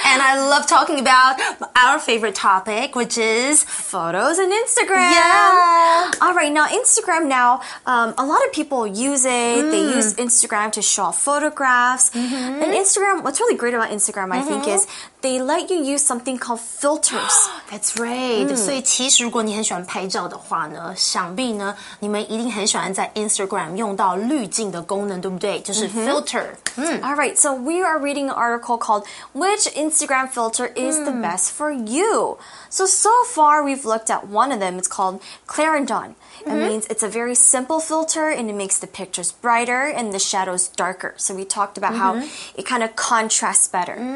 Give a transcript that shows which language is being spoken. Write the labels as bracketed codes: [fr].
[en] And I love talking about our favorite topic, which is photos and Instagram. Yeah. All right, now Instagram now, a lot of people use it. Mm. They use Instagram to show off photographs. Mm-hmm. And Instagram, what's really great about Instagram, mm-hmm. I think, is they let you use something called filters. That's right. Mm. [zh] 所以其实如果你很喜欢拍照的话呢,想必呢,你们一定很 喜欢在 Instagram 用到滤镜的功能, 对不对? 就是 filter. Mm-hmm. Mm. [en] All right, so we are reading an article called Which Instagram Filter is the Best for You? So far we've looked at one of them. It's called Clarendon. Mm-hmm. It means it's a very simple filter and it makes the pictures brighter and the shadows darker. So we talked about how it kind of contrasts better.